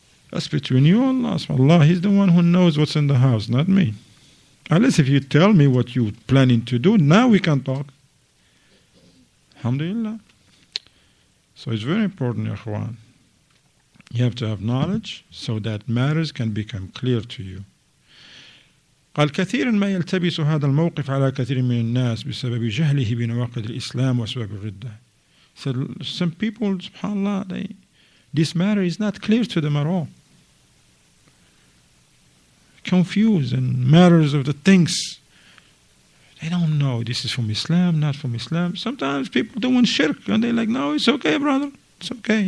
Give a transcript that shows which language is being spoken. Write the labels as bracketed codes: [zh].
[en] That's between you and Allah. Allah, He's the one who knows what's in the house, not me. Unless if you tell me what you're planning to do, now we can talk. Alhamdulillah. So it's very important, Ikhwan. You have to have knowledge so that matters can become clear to you. [ar] قال كثيرا ما يلتبس هذا الموقف على كثير من الناس بسبب جهله بنواقض الإسلام وسبب الردة. [en] So some people, subhanAllah, this matter is not clear to them at all. Confused in matters of the things. They don't know this is from Islam, not from Islam. Sometimes people don't want shirk and they're like, no, it's okay, brother. It's okay.